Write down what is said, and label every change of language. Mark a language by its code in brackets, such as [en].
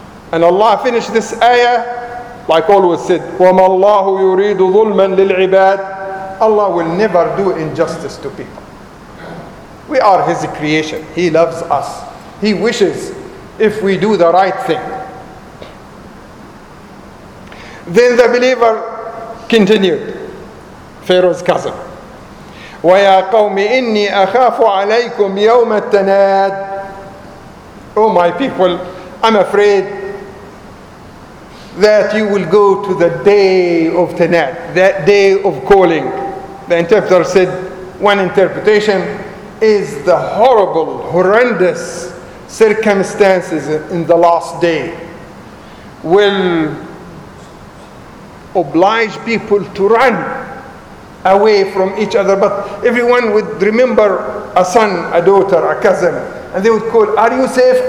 [en] And Allah finished this ayah like always said, [ar] وَمَا اللَّهُ يُرِيدُ ظُلْمًا لِلْعِبَادِ. [en] Allah will never do injustice to people. We are his creation. He loves us. He wishes if we do the right thing. Then the believer continued, Pharaoh's cousin, [ar] ويا قوم إني أخاف عليكم يوم التناد. [en] Oh my people, I'm afraid that you will go to the day of Tanad, that day of calling. The interpreter said, one interpretation is the horrible, horrendous circumstances in the last day will oblige people to run away from each other, but everyone would remember a son, a daughter, a cousin, and they would call, are you safe?